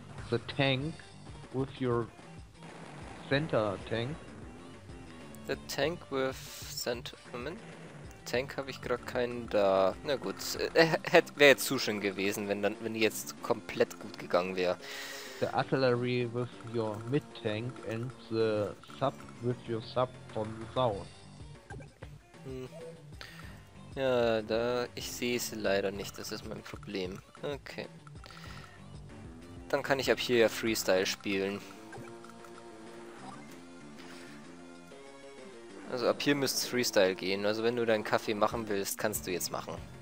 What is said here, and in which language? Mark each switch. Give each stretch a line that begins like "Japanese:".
English: The tank with your center tank. The tank with center.
German: Moment. Tank habe ich gerade keinen da. Na gut. Wäre jetzt zu schön gewesen, wenn die jetzt komplett gut gegangen wäre.
English: The artillery with your mid tank and the sub with your sub from the south. Hm.
German: Ja, da ich sehe es leider nicht, das ist mein Problem. Okay. Dann kann ich ab hier ja Freestyle spielen. Also ab hier müsste es Freestyle gehen. Also wenn du deinen Kaffee machen willst, kannst du jetzt machen.